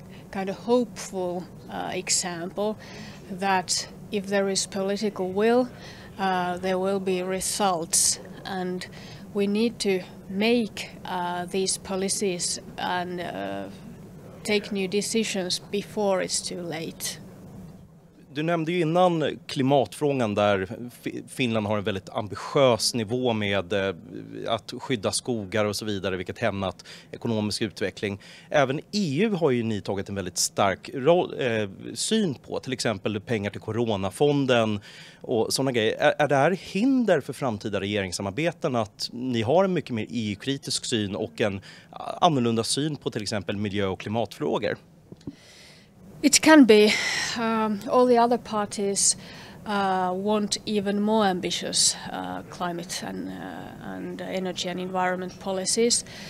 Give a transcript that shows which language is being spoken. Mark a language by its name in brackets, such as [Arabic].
[English] kind of hopeful example that if there is political will, there will be results, and we need to make these policies and take new decisions before it's too late. [Swedish] Du nämnde ju innan klimatfrågan där Finland har en väldigt ambitiös nivå med att skydda skogar och så vidare, vilket hämmat ekonomisk utveckling. Även EU har ju ni tagit en väldigt stark syn på, till exempel pengar till coronafonden och sådana grejer. Är det här hinder för framtida regeringssamarbeten att ni har en mycket mer EU-kritisk syn och en annorlunda syn på till exempel miljö- och klimatfrågor? [English] It can be. All the other parties want even more ambitious climate and energy and environment policies.